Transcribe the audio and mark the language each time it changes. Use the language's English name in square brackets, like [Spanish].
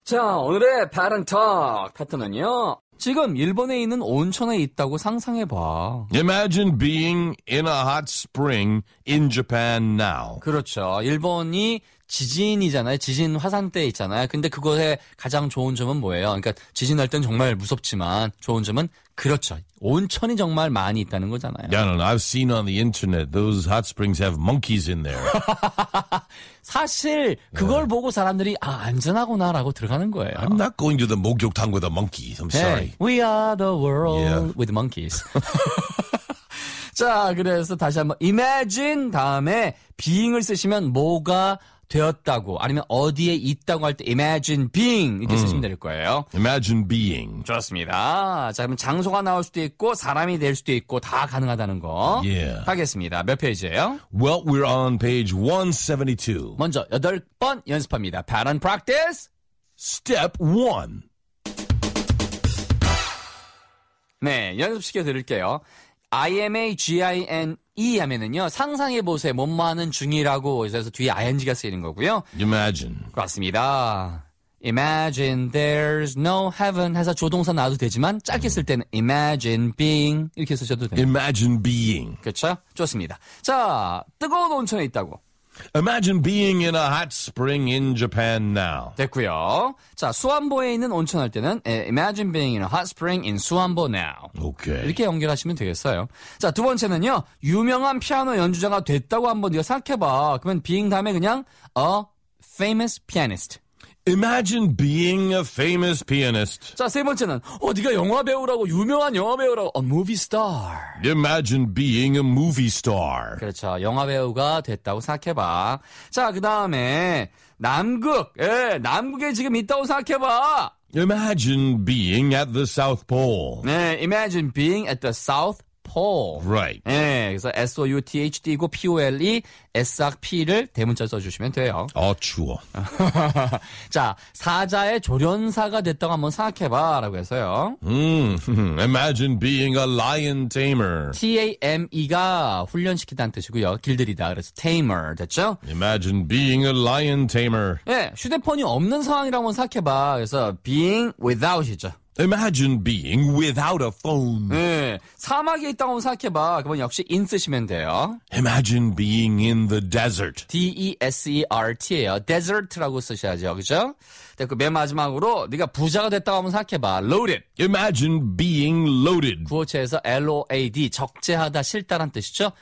[Korean] 자, 오늘의 바른톡 패턴은요. 지금 일본에 있는 온천에 있다고 상상해봐. [English] Imagine being in a hot spring in Japan now. [Korean] 그렇죠. 일본이 지진이잖아요. 지진 화산 때 있잖아요. 근데 그것의 가장 좋은 점은 뭐예요? 그러니까 지진 날 땐 정말 무섭지만 좋은 점은 그렇죠. 온천이 정말 많이 있다는 거잖아요. [English] Yeah, no, no. I've seen on the internet those hot springs have monkeys in there. [Korean] 사실 그걸 yeah. 보고 사람들이 아 안전하구나라고 들어가는 거예요. [English] I'm not going to the 목욕탕 with a monkey. I'm sorry. Hey, we are the world yeah. with monkeys. [Korean] 자, 그래서 다시 한번 imagine 다음에 being을 쓰시면 뭐가 되었다고 아니면 어디에 있다고 할 때 imagine being 이렇게 쓰시면 될 거예요. [English] Imagine being. [Korean] 좋습니다. 자, 그럼 장소가 나올 수도 있고 사람이 될 수도 있고 다 가능하다는 거 [English] yeah. [Korean] 하겠습니다. 몇 페이지예요? [English] Well, we're on page 172. [Korean] 먼저 8번 연습합니다. [English] Pattern practice. Step 1. [Korean] 네, 연습시켜 드릴게요. I-M-A-G-I-N-E 하면은요, 상상해보세요. 뭐뭐 하는 중이라고 해서 뒤에 ing가 쓰이는 거고요. [English] Imagine. [Korean] 그렇습니다. [English] Imagine there's no heaven [Korean] 해서 조동사 나와도 되지만 짧게 쓸 때는 imagine being 이렇게 쓰셔도 돼요. [English] Imagine being. [Korean] 그렇죠? 좋습니다. 자, 뜨거운 온천에 있다고. [English] Imagine being in a hot spring in Japan now. [Korean] 됐고요. 자, 수완보에 있는 온천 할 때는 [English] Imagine being in a hot spring in 수완보 now. [Korean] 오케이. 이렇게 연결하시면 되겠어요. 자, 두 번째는요. 유명한 피아노 연주자가 됐다고 한번 네가 생각해봐. 그러면 being 다음에 그냥 a famous pianist. [English] Imagine being a famous pianist. [Korean] 자, 세 번째는 네가 영화 배우라고 유명한 영화 배우라고 a movie star. [English] Imagine being a movie star. [Korean] 그렇죠. 영화 배우가 됐다고 생각해봐. 자, 그 다음에 남극. 예, 남극에 지금 있다고 생각해봐. [English] Imagine being at the South Pole. 네, imagine being at the South Pole. Right. [Korean] 예, 그래서 S-O-U-T-H-D이고 P-O-L-E. SRP를 대문자 써주시면 돼요. 어, 추워. 자, 사자의 조련사가 됐다고 한번 생각해봐 라고 해서요. [English] Imagine being a lion tamer. [Korean] T-A-M-E가 훈련시키다는 뜻이고요. 길들이다. 그래서 tamer 됐죠? [English] Imagine being a lion tamer. [Korean] 네, 휴대폰이 없는 상황이라고 한번 생각해봐. 그래서 being without이죠. [English] Imagine being without a phone. [Korean] 네, 사막에 있다고 한번 생각해봐. 그건 역시 in 쓰시면 돼요. [English] Imagine being in the desert. [Korean] D-E-S-E-R-T예요. Desert라고 쓰셔야죠. 그죠? 됐고, 맨 마지막으로 네가 부자가 됐다고 한번 생각해봐. [English] Loaded. Imagine being loaded. [Korean] 구어체에서 L-O-A-D, 적재하다, 싫다란 뜻이죠.